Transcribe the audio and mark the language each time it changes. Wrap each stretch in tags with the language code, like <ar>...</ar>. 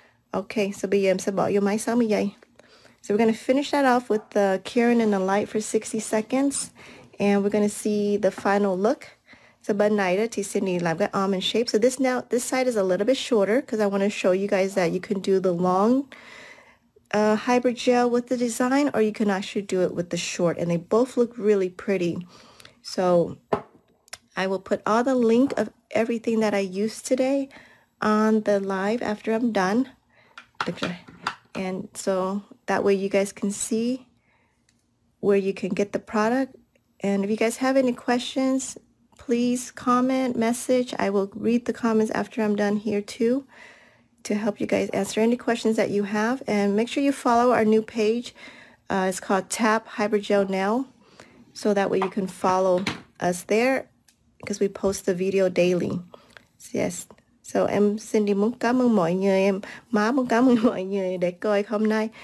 <vi>Okay, so bây giờ em sẽ bỏ vô máy 60 giây.</vi> <en>So we're gonna finish that off with the curing in the light for 60 seconds, and we're gonna see the final look.</en> <vi>So bên này đó thì Cindy làm cái almond shape.</vi> <en>So this now, this side is a little bit shorter because I want to show you guys that you can do the long hybrid gel with the design, or you can actually do it with the short, and they both look really pretty. So I will put all the link of everything that I used today on the live after I'm done. Okay. And so that way you guys can see where you can get the product. And if you guys have any questions, please comment, message. I will read the comments after I'm done here too, to help you guys answer any questions that you have. And make sure you follow our new page. It's called T.A.P. Hybrid Gel Nail. So that way you can follow us there because we post the video daily. So yes.</en> <vi>So em Cindy muốn cảm ơn mọi người. Em má muốn cảm ơn mọi người để coi hôm nay.</vi>